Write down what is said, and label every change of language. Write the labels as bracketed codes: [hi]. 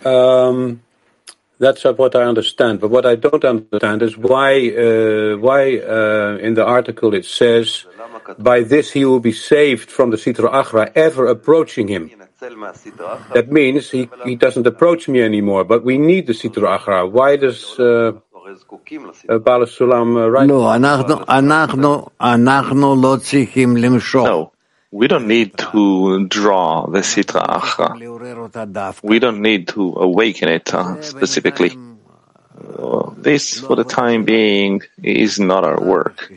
[en] That's what I understand. But what I don't understand is why in the article it says, by this he will be saved from the Sitra Achra ever approaching him. That means he doesn't approach me anymore, but we need the Sitra Achra. Why does Baal HaSulam write? [he] No, אנחנו לא צריכים למשוך. [en] We don't need to draw the Sitra Achra. We don't need to awaken it specifically. This, for the time being, is not our work.